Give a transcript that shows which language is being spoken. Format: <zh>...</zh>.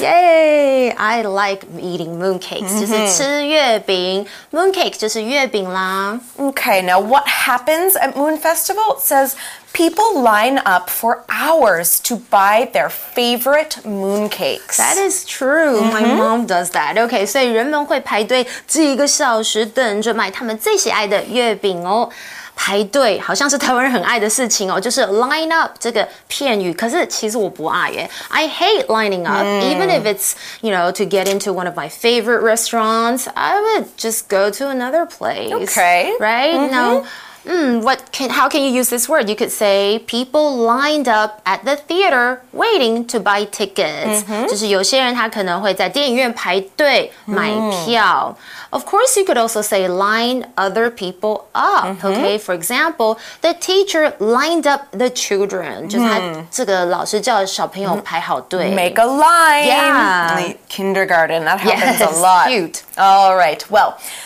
<en>Yay! I like eating mooncakes.、Mm-hmm.</en> <zh>就是吃月饼。 Mooncake 就是月饼啦。</zh> <en>Okay. Now, what happens at Moon Festival? It says. People line up for hours to buy their favorite mooncakes. That is true.、Mm-hmm. My mom does that.</en> <zh>Okay, 所以人们会排队几个小时等着买他们最喜爱的月饼哦。排队好像是台湾人很爱的事情哦，就是 line up 这个片语。可是其实我不爱耶。</zh> <en>I hate lining up,、</en> <zh>mm.</zh> <en>even if it's, you know, to get into one of my favorite restaurants, I would just go to another place. Okay. Right?、Mm-hmm. No. How can you use this word? You could say people lined up at the theater waiting to buy tickets.、Mm-hmm.</en> <zh>就是有些人他可能会在电影院排队买票。 Mm.</zh> <en>Of course, you could also say line other people up.、Mm-hmm. Okay, for example, the teacher lined up the children.、Mm.</en> <zh>就是他这个老师叫小朋友排好队。</zh> <en>Make a line. Yeah. In the kindergarten, that happens yes, a lot. Cute. All right, well...</en>